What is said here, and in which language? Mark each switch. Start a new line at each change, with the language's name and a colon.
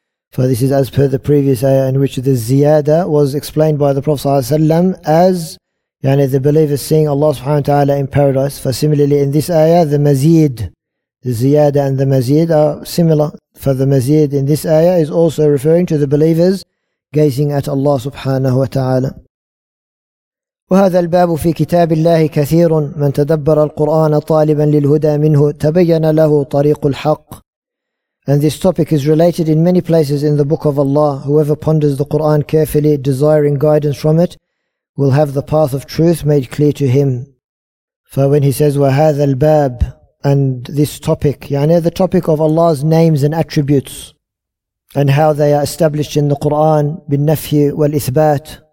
English: For this is as per the previous ayah in which the ziyada was explained by the Prophet sallallahu alayhi wa sallam as yani the believer seeing Allah subhanahu wa ta'ala in paradise. For similarly in this ayah, the mazid, the ziyada and the mazid are similar. For the mazid in this ayah is also referring to the believers gazing at Allah subhanahu wa ta'ala.
Arabic: وهذا الباب في كتاب الله كثير من تدبر القرآن طالبا للهدى منه تبين له طريق الحق.
English: And this topic is related in many places in the book of Allah. Whoever ponders the Quran carefully, desiring guidance from it, will have the path of truth made clear to him. For when he says
Arabic: وهذا الباب,
English: and this topic, يعني the topic of Allah's names and attributes, and how they are established in the Quran
Arabic: بالنفي والإثبات.